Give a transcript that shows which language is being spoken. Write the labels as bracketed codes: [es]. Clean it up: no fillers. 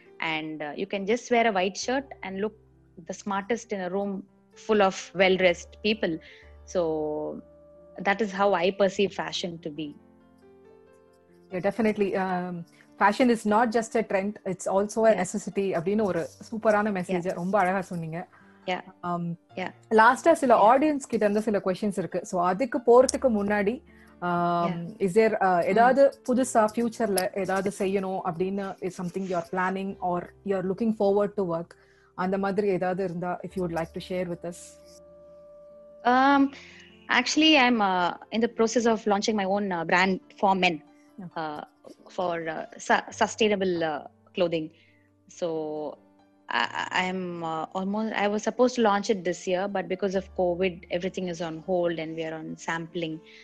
[en] and you can just wear a white shirt and look the smartest in a room full of well-dressed people. So that is how I perceive fashion to be. Yeah, definitely. Fashion is not just a trend, it's also a necessity. [ta] அப்படின்னு ஒரு சூப்பரான message ரொம்ப அழகா சொன்னீங்க. லாஸ்டா சில audience கிட்ட இருந்த சில க்வெஸ்சன்ஸ் இருக்கு. சோ அதுக்கு போறதுக்கு முன்னாடி இஸ் தேர் ஏதாவது புதுசா ஃபியூச்சர்ல ஏதாவது செய்யணும் அப்படின்னு [en] is something you are planning or you are looking forward to work [ta] அந்த மாதிரி ஏதாவது இருந்தா [en] If you would like to share with us. Actually, I'm in the process of launching my own brand for men, for sustainable clothing. So I was supposed to launch it this year, but because of COVID, everything is on hold and we are on sampling.